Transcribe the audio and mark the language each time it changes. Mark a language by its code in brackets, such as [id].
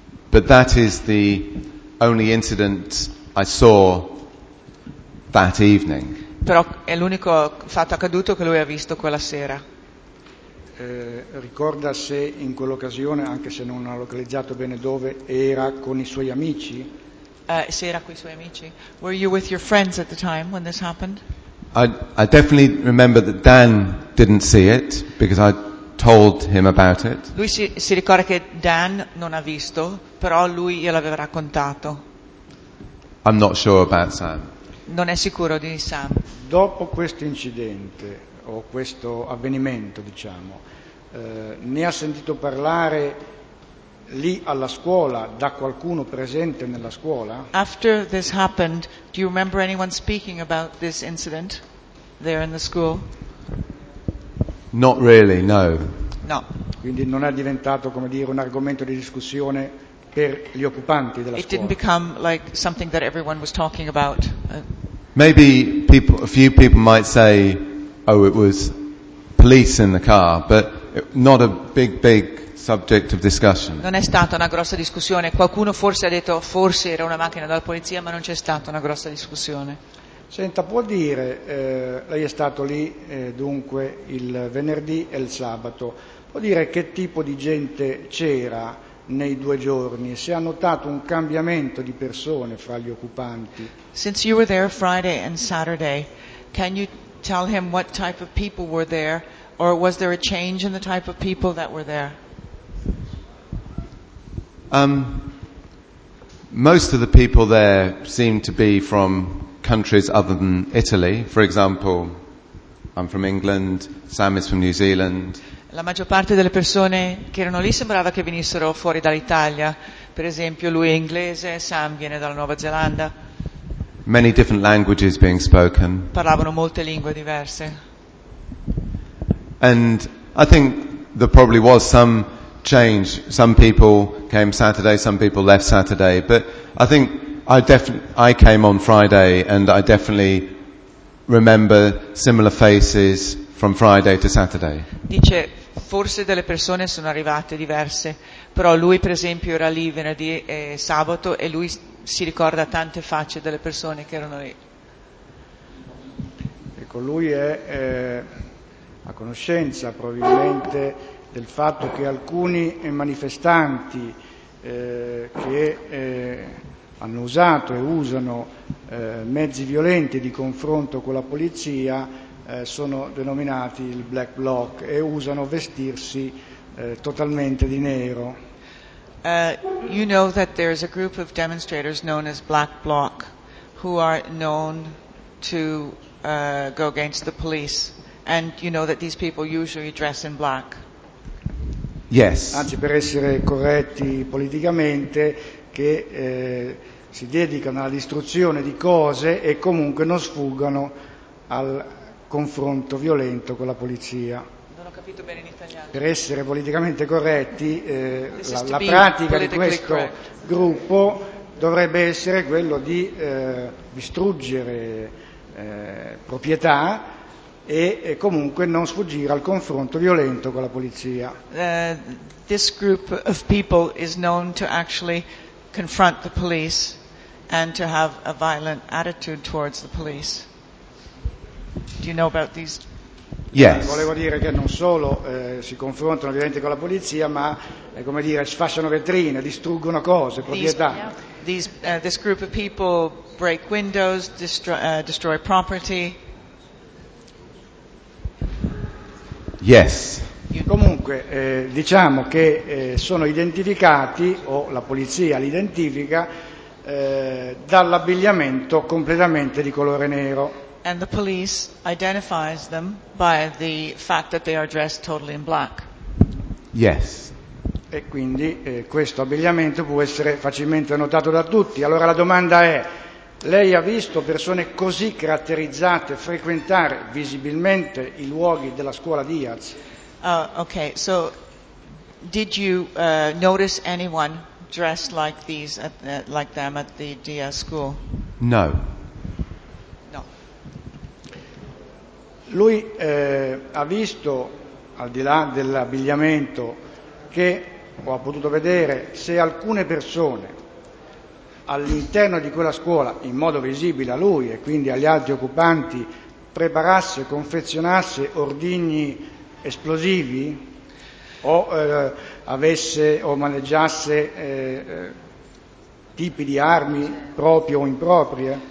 [en] But that is the only incident I saw that evening. [it] Però è l'unico fatto accaduto che lui ha visto quella sera. Ricorda se in quell'occasione, anche se non ha localizzato bene dove, era con i suoi amici. Sera con i suoi amici. [en] Were you with your friends at the time when this happened? I definitely remember that Dan didn't see it because I told him about it. [it] Lui si ricorda che Dan non ha visto, però lui gliel'aveva raccontato. [en] I'm not sure about Sam. [it] Non è sicuro di Sam. Dopo questo incidente o questo avvenimento, diciamo, ne ha sentito parlare lì alla scuola da qualcuno presente nella scuola? [en] After this happened, do you remember anyone speaking about this incident there in the school? Not really, no. [it] No. Quindi non è diventato, come dire, un argomento di discussione per gli occupanti della it scuola. [en] It didn't become like something that everyone was talking about. Maybe a few people might say, oh, it was police in the car, but not a big subject of discussion. [it] Non è stata una grossa discussione. Qualcuno forse ha detto forse era una macchina della polizia, ma non c'è stata una grossa discussione. Senta, può dire, lei è stato lì dunque il venerdì e il sabato, può dire che tipo di gente c'era nei due giorni? Si è notato un cambiamento di persone fra gli occupanti? [en] Since you were there Friday and Saturday, can you tell him what type of people were there? Or was there a change in the type of people that were there? Most of the people there seemed to be from countries other than Italy. For example, I'm from England, Sam is from New Zealand. [it] La maggior parte delle persone che erano lì sembrava che venissero fuori dall'Italia. Per esempio, lui è inglese, Sam viene dalla Nuova Zelanda. [en] Many different languages being spoken. [it] Parlavano molte lingue diverse. [en] And I think there probably was some change. Some people came Saturday, some people left Saturday. But I think I came on Friday and I definitely remember similar faces from Friday to Saturday. [it] Dice, forse delle persone sono arrivate diverse. Però lui, per esempio, era lì venerdì e sabato e lui si ricorda tante facce delle persone che erano lì. Ecco, lui è a conoscenza probabilmente del fatto che alcuni manifestanti che hanno usato e usano mezzi violenti di confronto con la polizia sono denominati il Black Bloc e usano vestirsi totalmente di nero. [en] You know that there is a group of demonstrators known as Black Bloc who are known to go against the police, and you know that these people usually dress in black. Yes. [it] Anzi, per essere corretti politicamente, che si dedicano alla distruzione di cose e comunque non sfuggano al confronto violento con la polizia. Non ho capito bene in italiano. Per essere politicamente corretti, la pratica di questo gruppo dovrebbe essere quello di distruggere proprietà e comunque non sfuggire al confronto violento con la polizia. [en] This group of people is known to actually confront the police and to have a violent attitude towards the police. Do you know about these? Yes. [it] Volevo dire che non solo si confrontano violentemente con la polizia, ma come dire, sfasciano vetrine, distruggono cose, proprietà. [en] This group of people break windows, destroy property. Yes. [it] Comunque, diciamo che sono identificati, o la polizia li identifica, dall'abbigliamento completamente di colore nero. [en] And the police identifies them by the fact that they are dressed totally in black. Yes. [it] E quindi questo abbigliamento può essere facilmente notato da tutti. Allora la domanda è, lei ha visto persone così caratterizzate frequentare visibilmente i luoghi della scuola Diaz? [en] Okay, so did you notice anyone dressed like these like them at the Diaz school? No. [it] No. Lui ha visto, al di là dell'abbigliamento, che ho potuto vedere se alcune persone all'interno di quella scuola, in modo visibile a lui e quindi agli altri occupanti, preparasse, confezionasse ordigni esplosivi o avesse o maneggiasse tipi di armi proprie o improprie.